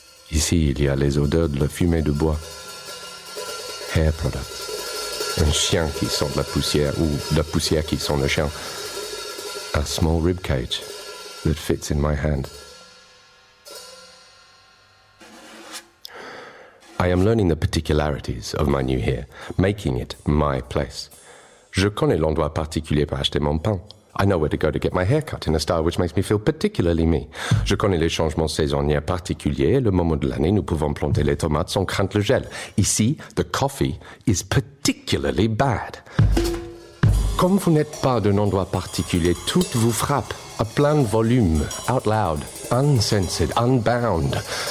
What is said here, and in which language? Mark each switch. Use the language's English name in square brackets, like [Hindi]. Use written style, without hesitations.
[French] Ici, il y a les odeurs de la fumée de bois. [English] Hair products. [French] Un chien qui sent de la poussière, ou la poussière qui sent le chien. [English] A small rib cage that fits in my hand. I am learning the particularities of my new here, making it my place. [French] Je connais l'endroit particulier pour acheter mon pain. [English] I know where to go to get my hair cut in a style which makes me feel particularly me. [French] Je connais les changements saisonniers particuliers. Le moment de l'année, nous pouvons planter les tomates sans craindre le gel. Ici, [English] the coffee is particularly bad. [French] Comme vous n'êtes pas d'un endroit particulier, tout vous frappe à plein volume, [English] out loud, uncensored, unbound.